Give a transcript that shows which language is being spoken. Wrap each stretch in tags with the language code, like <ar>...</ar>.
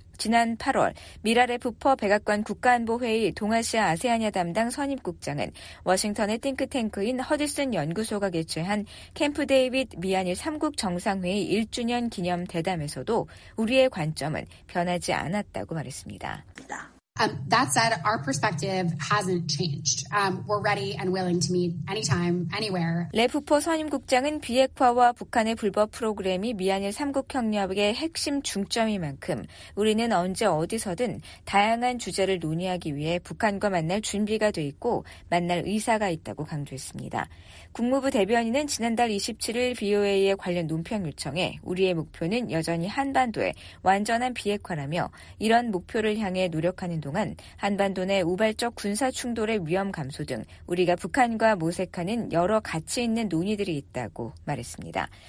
<ko>지난 8월 미랄의 부퍼 백악관 국가안보회의 동아시아 아세아냐 담당 선임국장은 워싱턴의 띵크탱크인 허드슨 연구소가 개최한 캠프 데이빗 미한일 3국 정상회의 1주년 기념 대담에서도 우리의 관점은 변하지 않았다고 말했습니다.</ko> <en>That said, our perspective hasn't changed. We're ready and willing to meet anytime, anywhere.</en> <ko>레프퍼 선임국장은 비핵화와 북한의 불법 프로그램이 미한일 3국 협력의 핵심 중점인 만큼 우리는 언제 어디서든 다양한 주제를 논의하기 위해 북한과 만날 준비가 돼 있고 만날 의사가 있다고 강조했습니다. 국무부 대변인은 지난달 27일 VOA의 관련 논평 요청에 우리의 목표는 여전히 한반도의 완전한 비핵화라며 이런 목표를 향해 노력하는 동안 한반도 내 우발적 군사 충돌의 위험 감소 등 우리가 북한과 모색하는 여러 가치 있는 논의들이 있다고 말했습니다.</ko>